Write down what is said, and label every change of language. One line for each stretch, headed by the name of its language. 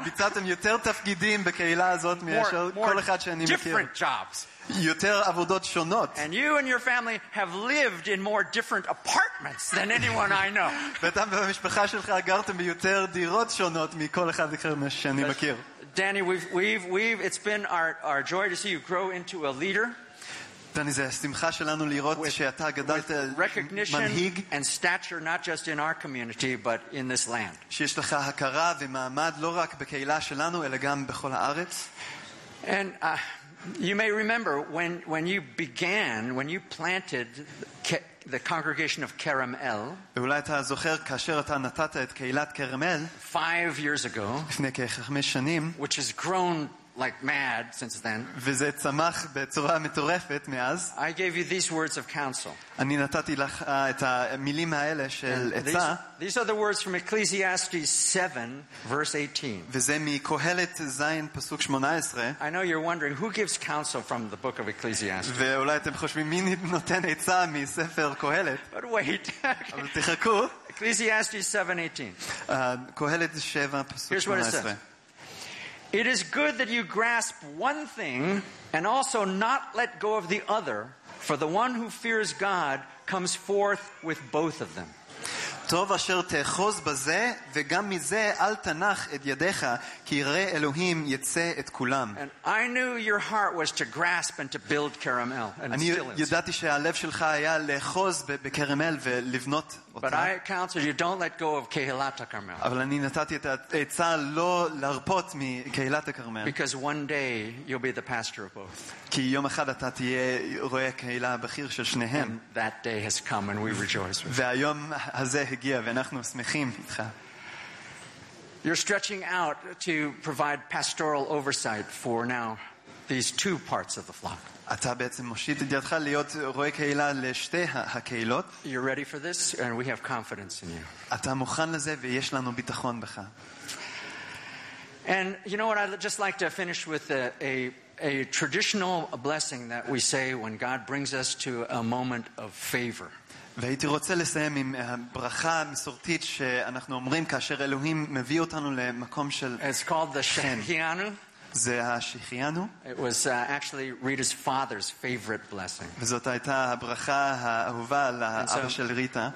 Hebrew: ביצעתם יותר תפקידים בקהילה הזאת מאשר כל אחד שאני מכיר.
English: Different jobs.
Hebrew: יותר עבודות שונות.
English: And you and your family have lived in more different apartments than anyone I know.
Hebrew: ואתם במשפחה שלך גרתם ביותר דירות שונות מכל אחד אחר שאני מכיר.
English: Danny, we've it's been our joy to see you grow into a leader.
Hebrew: דני, זה השמחה שלנו לראות שאתה גדלת מנהיג
English: and stature not just in our community but in this land.
Hebrew: שיש לך הכרה ומעמד לא רק בקהילה שלנו אלא גם בכל הארץ.
English: And you may remember when you planted the congregation of Kerem El.
Hebrew: ואולי אתה זוכר כאשר אתה נתת את קהילת קרמל
English: 5 years ago.
Hebrew: לפני כ-5 שנים.
English: Which has grown like mad since then.
Hebrew: וזה צמח בצורה מטורפת מאז.
English: I gave you these words of counsel.
Hebrew: אני נתתי לך את המילים האלה של עצה.
English: These are the words from Ecclesiastes 7 verse 18.
Hebrew: וזה מקהלת זין פסוק 18.
English: I know you're wondering who gives counsel from the book of Ecclesiastes.
Hebrew: ואולי אתם חושבים מי נותן עצה מספר קהלת.
English: But wait.
Hebrew: אבל תחכו.
English: Ecclesiastes 7:18.
Hebrew: קהלת 7 פסוק 18.
English: It is good that you grasp one thing and also not let go of the other, for the one who fears God comes forth with both of them.
Hebrew: טוב אשר תאחוז בזה וגם מזה אל תנח את ידיך כי יראה אלוהים יצא את כולם.
English: And I knew your heart was to grasp and to build Caramel and still
Hebrew: it. אני ידעתי שהלב שלך היה לאחוז בקרמל ולבנות אותה.
English: But I counsel you don't let go of Kehilat HaKarmel.
Hebrew: אבל אני נתתי את העצה לא להרפות מקהילת הקרמל.
English: Because one day you'll be the pastor of both.
Hebrew: כי יום אחד אתה תהיה רואה קהילה בכיר של שניהם.
English: And that day has come and we rejoice with you.
Hebrew: והיום הזה הגיע ואנחנו שמחים איתך.
English: You're stretching out to provide pastoral oversight for now these two parts of the flock.
Hebrew: אתה בעצם מושיט את ידך להיות רואה קהילה לשתי הקהילות.
English: You're ready for this and we have confidence in you.
Hebrew: אתה מוכן לזה ויש לנו ביטחון בך.
English: And you know what, I'd just like to finish with a traditional blessing that we say when God brings us to a moment of favor.
Hebrew: והייתי רוצה לסיים עם ברכה מסורתית שאנחנו אומרים כאשר אלוהים מביא אותנו למקום של
English: It's called the Shehecheyanu.
Hebrew: זה השחיינו.
English: It was actually Rita's father's favorite blessing.
Hebrew: וזאת הייתה הברכה האהובה לאבא של ריטה.